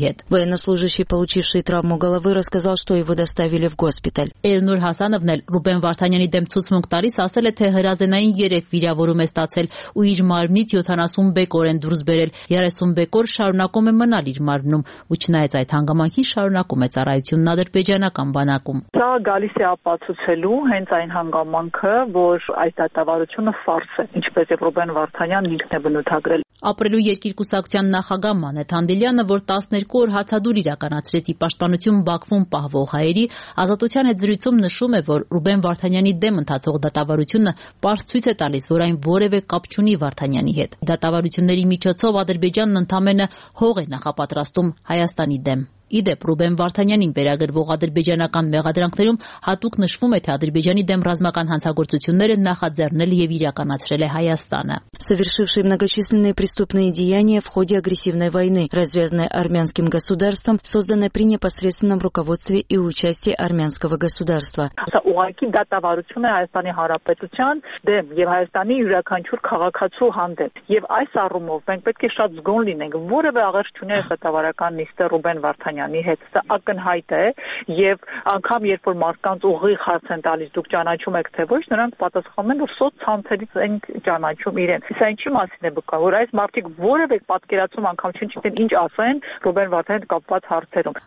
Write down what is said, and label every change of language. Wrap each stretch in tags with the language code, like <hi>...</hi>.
<ru>Военнослужащий, получивший травму головы, рассказал, что его доставили в госпиталь.</ru> <hy>Էլնուր Հասանովն էլ Ռուբեն Վարդանյանի դեմ ցուցմունք տալիս ասել է, թե հրազենային 3 վիրավորում է ստացել ու իր մարմնից 70 բեկոր են դուրս բերել, 30 բեկոր շարունակում է մնալ իր մարմնում, ու չնայած այդ հանգամանքին շարունակում է ծառայությունն ադրբեջանական բանակում։ Սա գալիս է ապացուցելու հենց այն հանգամանքը, որ այս դատավարությունը ֆարս է, ինչպես Ռուբեն Վարդանյանն ինքն է բնութագրել։ Ապրելու երկիրկուսակցության նախագահ Մանեթ Անդելյանը, որ 12 օր հացադուլ իրականացրեց պաշտպանություն Բաքվում պահվող հայերի, ազատության հետ զրույցում նշում է, որ Ռուբեն Վարդանյանի դեմ ընթացող դատավարությունը պարզ ցույց է տալիս, որ այն որևէ կապ չունի Վարդանյանի հետ։ Դատավարությունների միջոցով Ադրբեջանն ընդամենը հող է նախապատրաստում Հայաստանի դեմ։ Իդեպ, Ռուբեն Վարդանյանին վերագրվող ադրբեջանական մեղադրանքներում հատուկ նշվում է, թե Ադրբեջանի դեմ ռազմական հանցագործությունները նախաձեռնել և իրականացրել է Հայաստանը։</hy> <ru>Совершивший многочисленные преступные деяния в ходе агрессивной войны, развязанной армянским государством, созданной при непосредственном руководстве и участии армянского государства.</ru> <hy>Ուղղակի դատավարությունը Հայաստանի Հանրապետության դեմ և Հայաստանի յուրաքանչյուր քաղաքացու հանդեպ։ Եվ այս առումով մենք պետք է շատ զգոն լինենք, որևէ աղերջություններ դատավարական նիստը Ռուբեն Վարդանյանի հետ, սա ակնհայտ է, եւ անգամ երբ որ մարդկանց ուղիղ հարց են տալիս, դուք ճանաչում եք, թե ոչ, նրանք պատասխանում են, որ սոցցանցերից են ճանաչում իրեն։ Սա ինչի մասին է բկա, որ այս մարդիկ որևէ պատկերացում անգամ չեն չգիտեն ինչ ասեն Ռուբեն Վարդանյան կապված հարցերում։</hy>